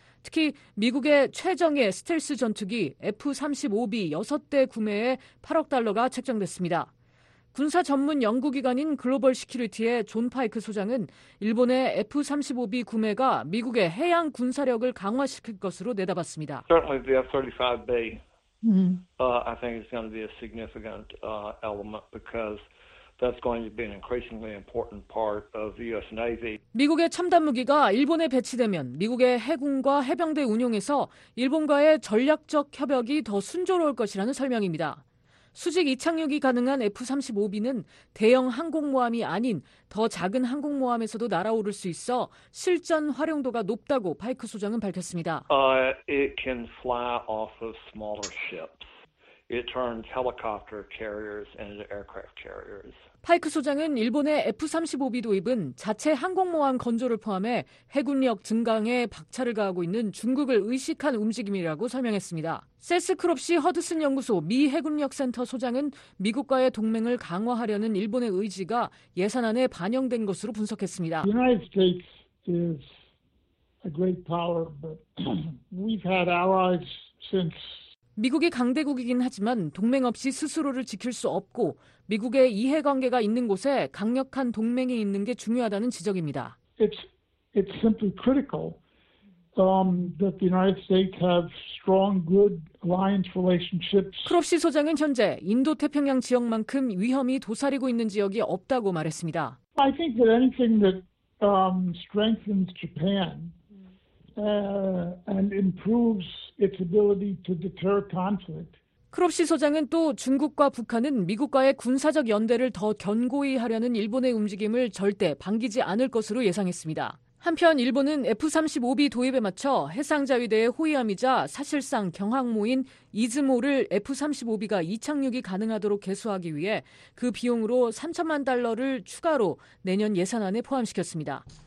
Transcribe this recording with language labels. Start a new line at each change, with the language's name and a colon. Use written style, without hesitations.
Korean: 특히 미국의 최정예 스텔스 전투기 F-35B 6대 구매에 8억 달러가 책정됐습니다. 군사 전문 연구기관인 글로벌 시큐리티의 존 파이크 소장은 일본의 F-35B 구매가 미국의 해양 군사력을 강화시킬 것으로 내다봤습니다.
English: Certainly the F-35B, I think is going to be a significant element because that's going to be an increasingly important part of the U.S. Navy.
Korean: 미국의 첨단 무기가 일본에 배치되면 미국의 해군과 해병대 운용에서 일본과의 전략적 협력이 더 순조로울 것이라는 설명입니다. 수직 이착륙이 가능한 F-35B는 대형 항공모함이 아닌 더 작은 항공모함에서도 날아오를 수 있어 실전 활용도가 높다고 파이크 소장은 밝혔습니다.
English: It can fly off of smaller ships. It turns helicopter carriers into aircraft carriers.
Korean: 파이크 소장은 일본의 F-35B 도입은 자체 항공모함 건조를 포함해 해군력 증강에 박차를 가하고 있는 중국을 의식한 움직임이라고 설명했습니다. 세스 크롭시 허드슨 연구소 미 해군력센터 소장은 미국과의 동맹을 강화하려는 일본의 의지가 예산안에 반영된 것으로 분석했습니다.
English: The United States is a great power, but we've had allies since
Korean: 미국이 강대국이긴 하지만 동맹 없이 스스로를 지킬 수 없고 미국의 이해관계가 있는 곳에 강력한 동맹이 있는 게 중요하다는 지적입니다.
English: It's simply critical that the United States have strong, good alliance relationships.
Korean: 크롭시 소장은 현재 인도태평양 지역만큼 위험이 도사리고 있는 지역이 없다고 말했습니다.
English: I think that anything that strengthens Japan and improves its ability to deter conflict.
Korean: 크롭시 소장은 또 중국과 북한은 미국과의 군사적 연대를 더 견고히 하려는 일본의 움직임을 절대 반기지 않을 것으로 예상했습니다. 한편 일본은 F-35B 도입에 맞춰 해상자위대의 호위함이자 사실상 경항모인 이즈모를 F-35B가 이착륙이 가능하도록 개수하기 위해 그 비용으로 3천만 달러를 추가로 내년 예산안에 포함시켰습니다.